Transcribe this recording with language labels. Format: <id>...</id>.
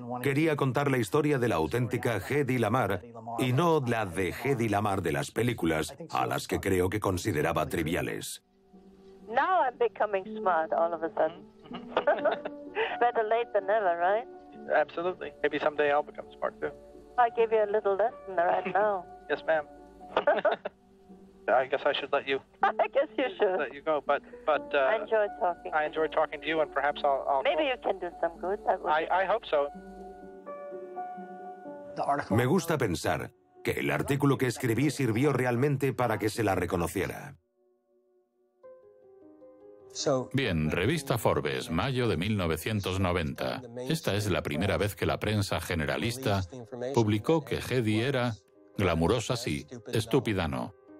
<es>Quería contar la historia de la auténtica Hedy Lamarr y no la de Hedy Lamarr de las películas a las que creo que consideraba triviales.</es> <en>Now I'm becoming smart all of a sudden. Better late than never, right? Absolutely. Maybe someday I'll become smart too. I give you a little lesson right now. Yes, ma'am. I guess I should let you. I guess you should. Let you go, but I enjoy talking. I enjoy talking to you, and perhaps I'll maybe you can do some good. That would I hope so. The article.</en> <es>Me gusta pensar que el artículo que escribí sirvió realmente para que se la reconociera. Bien, revista Forbes, mayo de 1990. Esta es la primera vez que la prensa generalista publicó que Hedy era glamurosa sí, estúpida no.</es>